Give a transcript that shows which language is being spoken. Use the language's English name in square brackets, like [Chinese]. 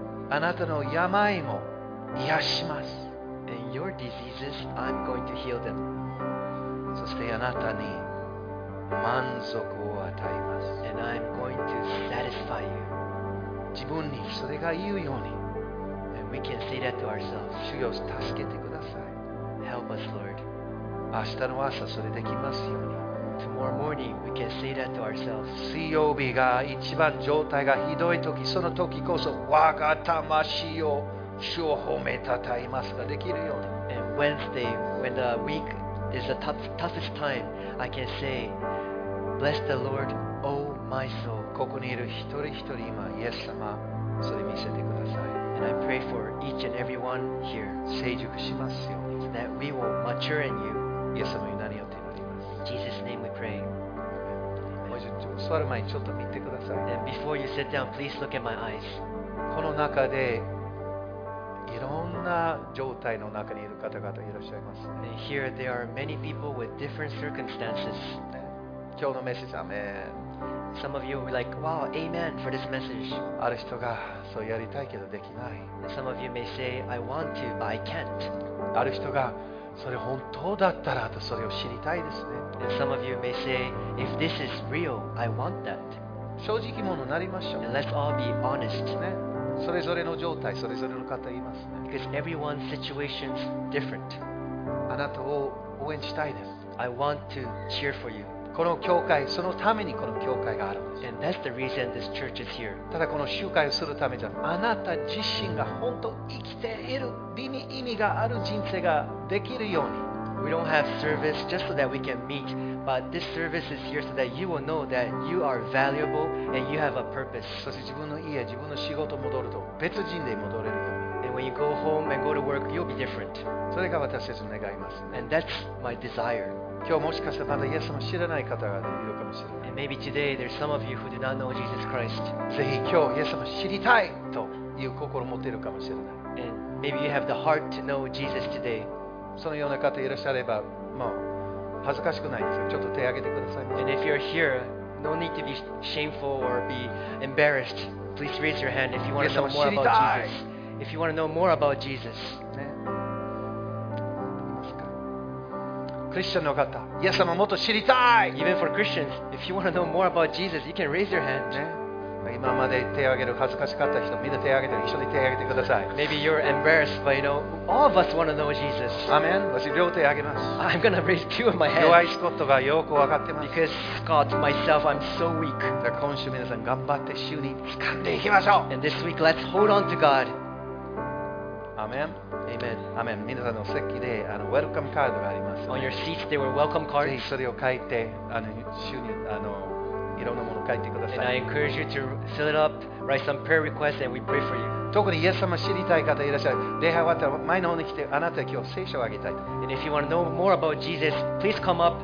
[Japanese] あなたの病も癒します。 [English] And your diseases, I'm going to heal them. [Japanese] そしてあなたに満足を与えます。 [English] And I'm going to satisfy you. [Japanese] 自分にそれが言うように。 [English] And we can say that to ourselves. [Japanese] 主よ、助けてください。 [English] Help us, Lord. [Japanese] 明日の朝それできますように。 [English] Tomorrow morning, we can say that to ourselves. [Japanese] 水曜日が一番状態がひどい時、その時こそ我が魂を主を褒めたたえますができるように。 [English] And Wednesday, when the week is the toughest time, I can say, Bless the Lord, O my soul. [Japanese] ここにいる一人一人今、イエス様、それ見せてください。 [English] And I pray for each and everyone here. [Japanese] 成熟しますように。 [English] That we will mature in you. [Japanese] イエス様に何を祈ります。 [English] Jesus' name we pray. [Japanese] もうちょっと座る前にちょっと見てください。 [English] And before you sit down, please look at my eyes. [Japanese] この中でいろんな状態の中にいる方々いらっしゃいます。 [English] And here there are many people with different circumstances. [Japanese] 今日のメッセージ、アメン。 [English] Some of you are like, wow, amen for this message. [Japanese] ある人がそうやりたいけどできない。 [English] And some of you may say, I want to, but I can't. [Japanese] ある人がそれ本当だったらとそれを知りたいですね。 [English] And some of you may say, if this is real, I want that. [Japanese] 正直者になりましょう。 [English] And let's all be honest. [Japanese] ね。それぞれの状態、それぞれの方言いますね。 [English] Because everyone's situation's different. [Japanese] あなたを応援したいです。 [English] I want to cheer for you. [Japanese] この教会、そのためにこの教会があるんです。 [English] And that's the reason this church is here. [Japanese] ただこの集会をするためじゃ、あなた自身が本当生きている意味がある人生ができるように。 [English] We don't have service just so that we can meet, but this service is here so that you will know that you are valuable and you have a purpose. [Japanese] そして自分の家、自分の仕事に戻ると別人で戻れるように。 [English] And when you go home and go to work, you'll be different. [Japanese] それが私たちの願います。 [English] And that's my desire. [Japanese] 今日もしかしたらまだイエス様知らない方がいるかもしれない。 [English] And maybe today there's some of you who do not know Jesus Christ. [Japanese] ぜひ今日イエス様知りたいという心を持っているかもしれない。 [English] And maybe you have the heart to know Jesus today. [Japanese] そのような方いらっしゃればもう恥ずかしくないですよ。ちょっと手を挙げてください。 [English] And if you're here, no need to be shameful or be embarrassed. Please raise your hand if you want to know more about Jesus. If you want to know more about Jesus. [Japanese] ね。いますか。クリスチャンの方、イエス様もっと知りたい。 [English] Even for Christians, if you want to know more about Jesus, you can raise your hand. [Japanese] ね。今まで手を挙げる恥ずかしかった人、みんな手を挙げて、一緒に手を挙げてください。 [English] Maybe you're embarrassed, but you know, all of us want to know Jesus. [Japanese] Amen. 私両手を挙げます。 [English] I'm gonna raise two of my hands. [Japanese] 弱いスコットがよく分かってます。 [English] Because Scott, myself, I'm so weak. [Japanese] 今週皆さん頑張って主に掴んでいきましょう。 [English] And this week, let's hold on to God. Amen. Amen. [Japanese] Amen. 皆さんの席で、welcome カードがあります、 [English] ね。On your seats, there were welcome cards. [Japanese] ぜひそれを書いて、主に、いろんなものを書いてください。 [English] And I encourage you to fill it up, write some prayer requests, and we pray for you. [Japanese] 特にイエス様知りたい方いらっしゃる。礼拝終わったら前の方に来て、あなたは今日聖書をあげたいと。 [English] And if you want to know more about Jesus, please come up.